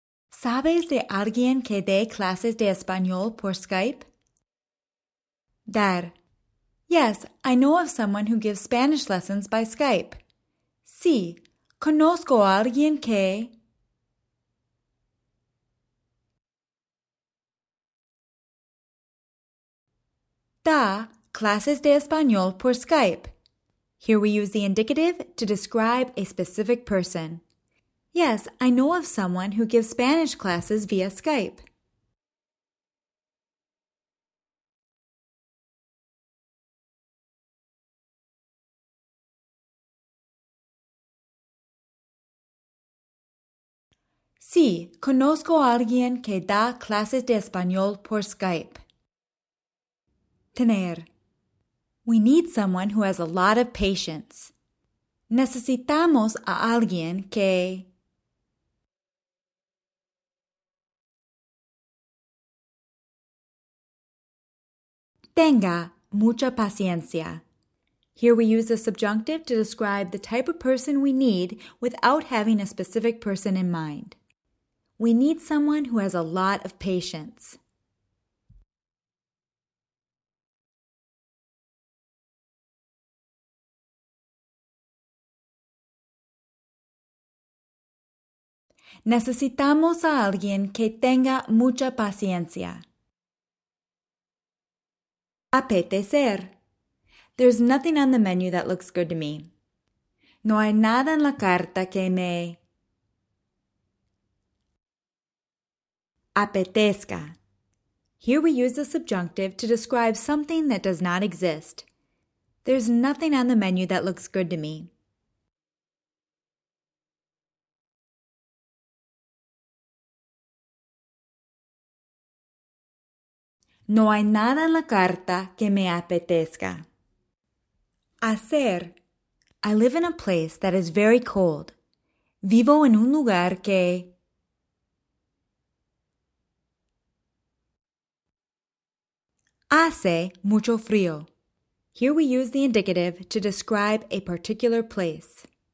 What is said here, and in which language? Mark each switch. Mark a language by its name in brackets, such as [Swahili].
[Spanish] ¿Sabes de alguien que dé clases de español por Skype? Dar. [English] Yes, I know of someone who gives Spanish lessons by Skype. [Spanish] Sí, conozco a alguien que... da clases de español por Skype. [English] Here we use the indicative to describe a specific person. Yes, I know of someone who gives Spanish classes via Skype. [Spanish] Sí, conozco a alguien que da clases de español por Skype. Tener. [English] We need someone who has a lot of patience. [Spanish] Necesitamos a alguien que... tenga mucha paciencia. [English] Here we use the subjunctive to describe the type of person we need without having a specific person in mind. We need someone who has a lot of patience. [Spanish] Necesitamos a alguien que tenga mucha paciencia. [English] Apetecer. There's nothing on the menu that looks good to me. [Spanish] No hay nada en la carta que me... apetezca. [English] Here we use the subjunctive to describe something that does not exist. There's nothing on the menu that looks good to me. [Spanish] No hay nada en la carta que me apetezca. Hacer. [English] I live in a place that is very cold. [Spanish] Vivo en un lugar que... hace mucho frío. [English] Here we use the indicative to describe a particular place.